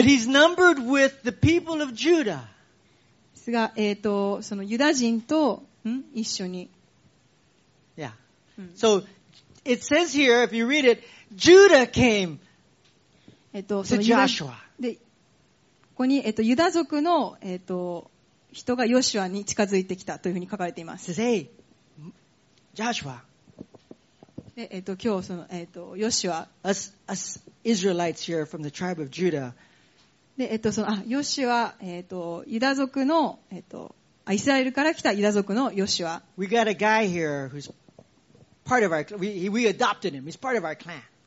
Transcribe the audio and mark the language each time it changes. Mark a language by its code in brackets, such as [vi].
[en] But he's numbered with the people of Judah. [ja] ですが、そのユダ人と、一緒に。 [en] Yeah. So,It says here, if you read it, Judah came to Joshua. [ja] で、ここに、ユダ族の、人がヨシュアに近づいてきたというふうに書かれています。 [en] It says, hey, Joshua. [ja] で、今日その、ヨシュア。 [en] Us Israelites here from the tribe of Judah. [ja] で、その、ヨシュア、ユダ族の、イスラエルから来たユダ族のヨシュア。 [en] We got a guy here who'sPart of our, we adopted him. He's part of our clan.